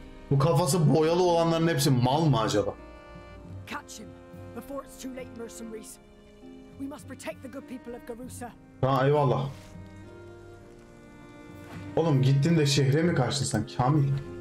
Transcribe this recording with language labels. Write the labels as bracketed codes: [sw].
[tr] Bu kafası boyalı olanların hepsi mal mı acaba? [en] Catch him before it's too late, mercenaries. We must protect the good people of Garusa. [tr] Ha, eyvallah. Oğlum gittin de şehre mi kaçtın sen Kamil?